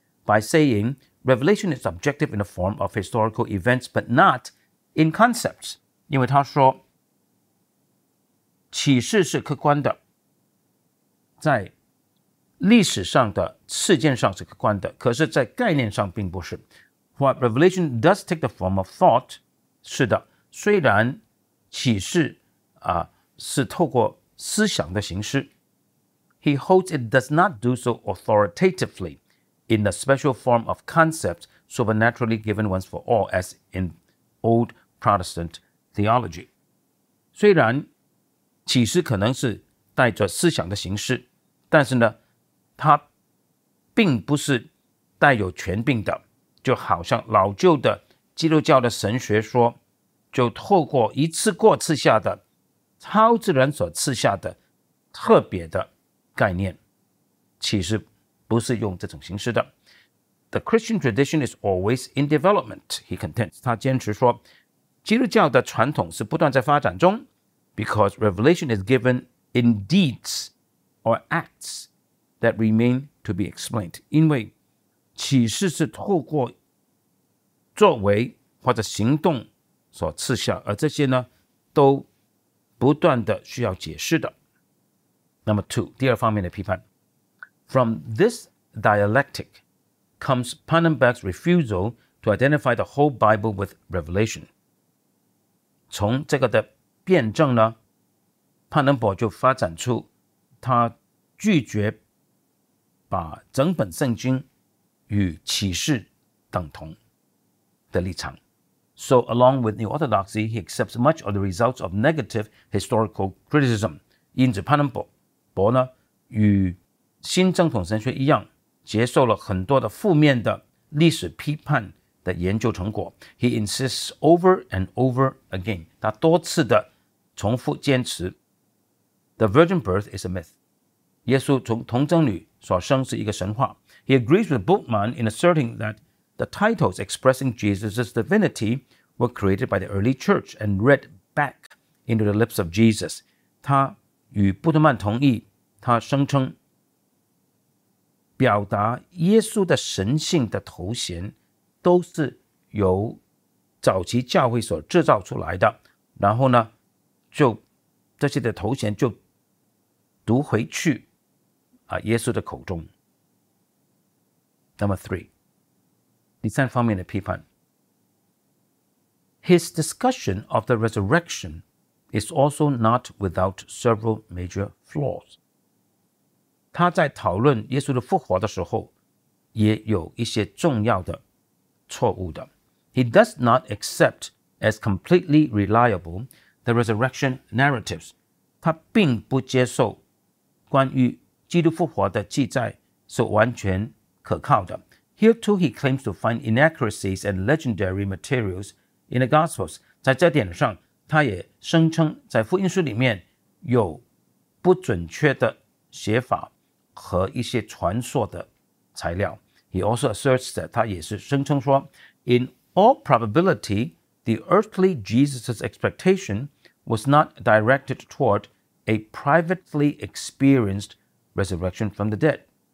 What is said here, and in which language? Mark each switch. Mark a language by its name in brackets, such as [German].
[English] By saying, revelation is objective in the form of historical events, but not in concepts. [Chinese] 因为他说，启示是客观的，在历史上的事件上是客观的，可是在概念上并不是。 [English] What revelation does take the form of thought, [Chinese] 是的，虽然启示是透过思想的形式。 [English] He holds it does not do so authoritatively. In the special form of concepts supernaturally given once for all as in old Protestant theology. [Chinese] 虽然启示可能是带着思想的形式，但是呢，它并不是带有权柄的，就好像老旧的基督教的神学说，就透过一次过赐下的超自然所赐下的特别的概念，其实不是用这种形式的。 [English] The Christian tradition is always in development, he contends. [Chinese] 他坚持说，基督教的传统是不断在发展中 [English] ，because revelation is given in deeds or acts that remain to be explained. [Chinese] 因为启示是透过作为或者行动所赐下，而这些呢，都不断的需要解释的。 [English] Number two, [Chinese] 第二方面的批判。 [English] From this dialectic comes Pannenberg's refusal to identify the whole Bible with revelation. [Chinese] 从这个的辩证呢，潘能伯就发展出他拒绝把整本圣经与启示等同的立场。 [English] So along with New Orthodoxy, he accepts much of the results of negative historical criticism. [Chinese] 因此潘能伯呢与新正统神学一样，接受了很多的负面的历史批判的研究成果。 [English] He insists over and over again. [Chinese] 他多次的重复坚持 [English] ，The virgin birth is a myth. [Chinese] 耶稣从童贞女所生是一个神话。 [English] He agrees with Bultmann in asserting that the titles expressing Jesus' divinity were created by the early church and read back into the lips of Jesus. [Chinese] 他与布特曼同意，他声称表达耶稣的神性的头衔都是由早期教会所制造出来的，然后呢，就这些的头衔就读回去啊耶稣的口中。 [English] Number three, [Chinese] 第三方面的批判。 [English] His discussion of the resurrection is also not without several major flaws. [Chinese] 他在讨论耶稣的复活的时候也有一些重要的错误的。 [English] He does not accept as completely reliable the resurrection narratives. [Chinese] 他并不接受关于基督复活的记载是完全可靠的。 [English] Here too he claims to find inaccuracies and legendary materials in the Gospels. [Chinese] 在这点上他也声称在福音书里面有不准确的写法和一些传说的材料。 [English] He also asserts that [Chinese] 他也是声称说 [English] In all probability the earthly Jesus' expectation was not directed toward a privately experienced resurrection from the dead.